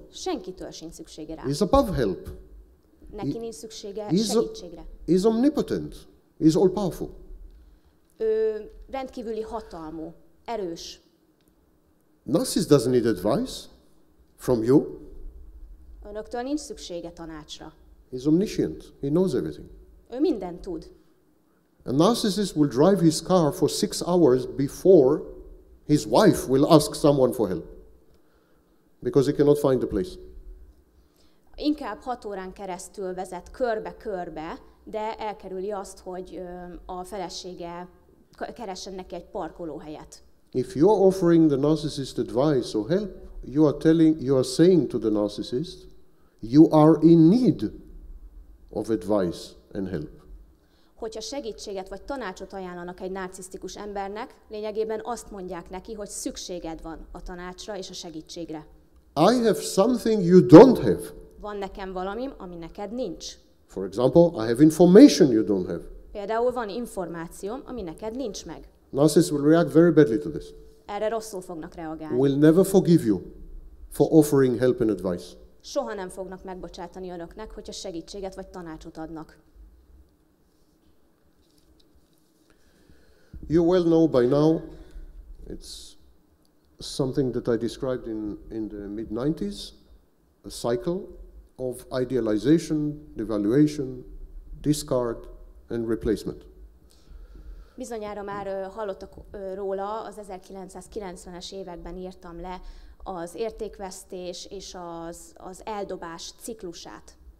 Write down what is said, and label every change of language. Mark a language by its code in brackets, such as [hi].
[hu] Senkitől sincs szüksége rá. [en] He's above help. [hu] Neki nincs szüksége segítségre. [en] He's omnipotent. He's all powerful. [hu] Ő rendkívüli hatalmú, erős. [en] Narcissist doesn't need advice from you. [hu] Önöktől nincs szüksége tanácsra. [en] He's omniscient. He knows everything. [hu] Ő mindent tud. [en] A narcissist will drive his car for 6 hours before his wife will ask someone for help. Because he cannot find the place. [hu] Inkább 6 órán keresztül vezet körbe-körbe, de elkerüli azt, hogy a felesége keressen neki egy parkolóhelyet. [en] If you are offering the narcissist advice or help, you are saying to the narcissist, you are in need of advice and help. [hu] Hogyha segítséget vagy tanácsot ajánlanak egy narcisztikus embernek, lényegében azt mondják neki, hogy szükséged van a tanácsra és a segítségre. [en] I have something you don't have. [hu] Van nekem valamim, ami neked nincs. [en] For example, I have information you don't have. [hu] Például van információm, ami neked nincs meg. [en] Narcissists will react very badly to this. [hu] Erre rosszul fognak reagálni. [en] Will never forgive you for offering help and advice. [hu] Soha nem fognak megbocsátani önöknek, hogyha segítséget vagy tanácsot adnak. [en] You well know by now, it's something that I described in the mid-90s, a cycle of idealization, devaluation, discard and replacement. [hu] Bizonyára már hallottak róla, az 1990-es években írtam le az értékvesztés és az eldobás ciklusát.